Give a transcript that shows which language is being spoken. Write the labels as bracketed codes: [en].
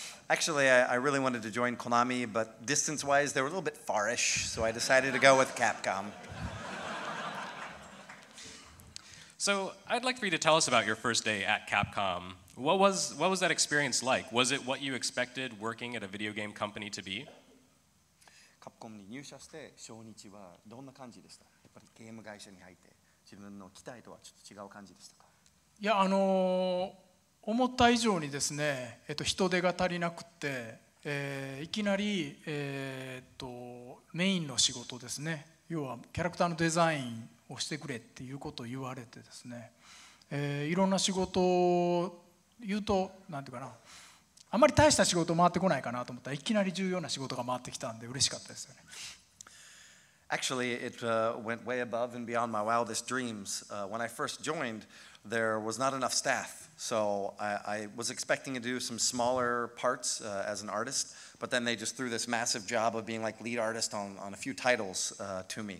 [en] Actually, I really wanted to join Konami, but distance-wise, they were a little bit far-ish, so I decided to go with Capcom. So I'd like for you to tell us about your first day at Capcom. What was that experience like? Was it what you expected working at a video game company to be? [ja] Capcom に入社して初日はどんな感じでした？やっぱりゲーム会社に入って自分の期待とはちょっと違う感じでしたか？いや、思った以上にですね、人手が足りなくて、いきなり、メインの仕事ですね、要はキャラクターのデザインをしてくれっていうことを言われてですね、いろんな仕事を言うと、なんていうかな、あまり大した仕事回ってこないかなと思ったら、いきなり重要な仕事が回ってきたんで、嬉しかったですよね。 [en] Actually, it went way above and beyond my wildest dreams. When I first joined, there was not enough staff. So I was expecting to do some smaller parts as an artist, but then they just threw this massive job of being like lead artist on a few titles to me.